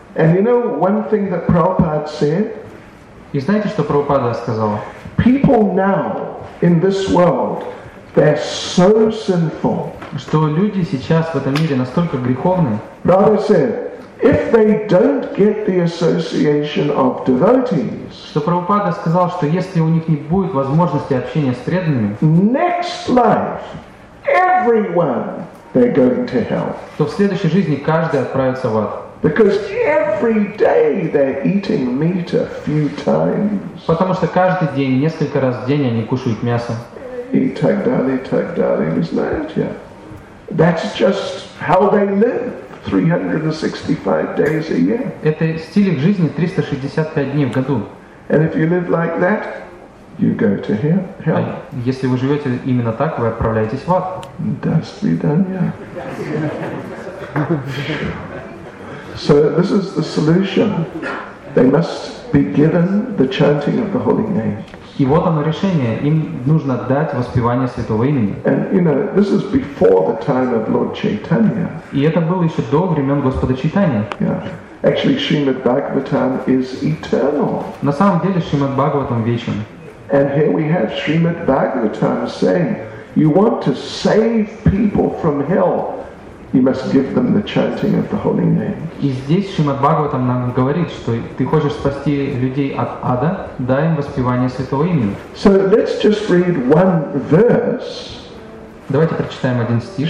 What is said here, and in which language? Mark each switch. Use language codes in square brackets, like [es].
[en] And you know one thing that Prabhupada said? [ru] И знаете, что Прабхупада сказал? [en] People now in this world, they're so sinful. [ru] Что люди сейчас в этом мире настолько греховны? [en] Prabhupada said, if they don't get the association of devotees. [ru] Что Прабхупада сказал, что если у них не будет возможности общения с преданными? [en] Next life, everyone. They're going to hell. [ru] То в следующей жизни каждый отправится в ад. [en] Because every day they're eating meat a few times. [ru] Потому что каждый день несколько раз в день они кушают мясо. И так далее, так далее, вы знаете, yeah. [en] That's just how they live 365 days a year. [ru] Это стиль их жизни 365 дней в году. [en] And if you live like that, you go to hell. [ru] Если вы живете именно так, вы отправляетесь в ад. До свидания. [en] So this is the solution. They must be given the chanting of the holy names. [ru] И вот оно решение. Им нужно дать воспевание святого имени. [en] And you know, this is before the time of Lord Chaitanya. [ru] И это было еще до времен Господа Чайтаньи. [en] Actually, Srimad Bhagavatam is eternal. [ru] На самом деле Шримад Бхагаватам вечен. [en] And here we have Srimad Bhagavatam saying, you want to save people from hell, you must give them the chanting of the holy names. [ru] И здесь Шримад Бхагаватам нам говорит, что ты хочешь спасти людей от ада, дай им воспевание святого имени. [en] So let's just read one verse. [ru] Давайте прочитаем один стих.